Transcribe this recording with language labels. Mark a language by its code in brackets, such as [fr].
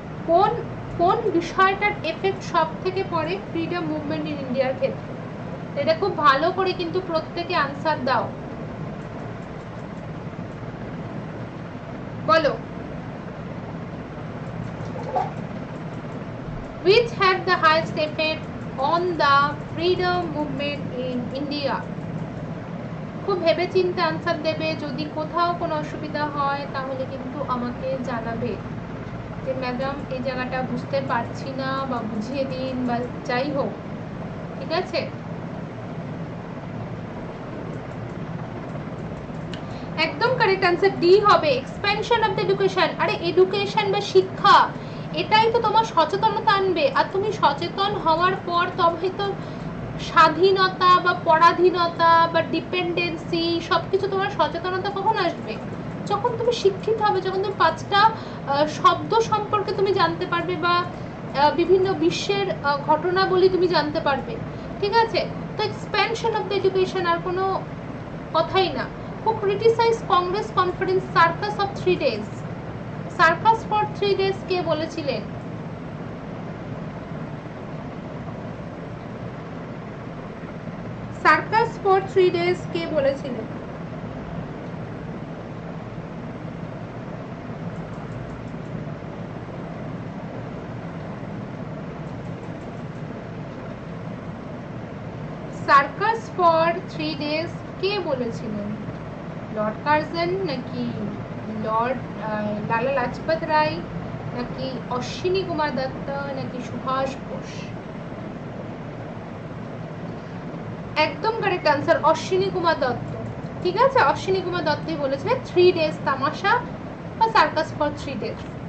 [bn] কোন কোন বিষয়টার এফেক্ট সব থেকে পরে [en] freedom movement in ইন্ডিয়ার [bn] ক্ষেত্রে? এটা খুব ভালো করে কিন্তু প্রত্যেকে আনসার দাও, বলো। [en] Which had the highest effect on the freedom movement in India? [bn] খুব ভেবে চিন্তে আনসার দেবে, যদি কোথাও কোনো অসুবিধা হয় তাহলে কিন্তু আমাকে জানাবে যে ম্যাডাম এই জায়গাটা বুঝতে পারছি না, বা বুঝিয়ে দিন বা যাই হোক, ঠিক আছে। একদম কারেক্ট অ্যান্সার ডি হবে, [en] Expansion of the education. [bn] আরে এডুকেশন বা শিক্ষা, এটাই তো তোমার সচেতনতা আনবে, আর তুমি সচেতন হওয়ার পর তবেই তো স্বাধীনতা বা পরাধীনতা বা ডিপেন্ডেন্সি সব কিছু তোমার সচেতনতা কখন আসবে, যখন তুমি শিক্ষিত হবে, যখন তুমি 5টা শব্দ সম্পর্কে তুমি জানতে পারবে বা বিভিন্ন বিশ্বের ঘটনাবলী তুমি জানতে পারবে, ঠিক আছে। তো [en] expansion of the education [bn] আর কোনো কথাই না। [en] Who criticized Congress conference circus of 3 days? Circus for 3 days [bn] কে বলেছিলেন? [en] Circus for 3 days [bn] কে বলেছিলেন? [en] Circus for 3 days [bn] কে বলেছিলেন? লর্ড কার্জন, নাকি লর্ড লালা লাজপত রায়, নাকি অশ্বিনী কুমার দত্ত, নাকি সুভাষ বোস? একদম কারেক্ট অ্যান্সার অশ্বিনী কুমার দত্ত, ঠিক আছে। অশ্বিনী কুমার দত্তই বলেছিলেন 3 days তামাশা বা [en] Circus for 3 days।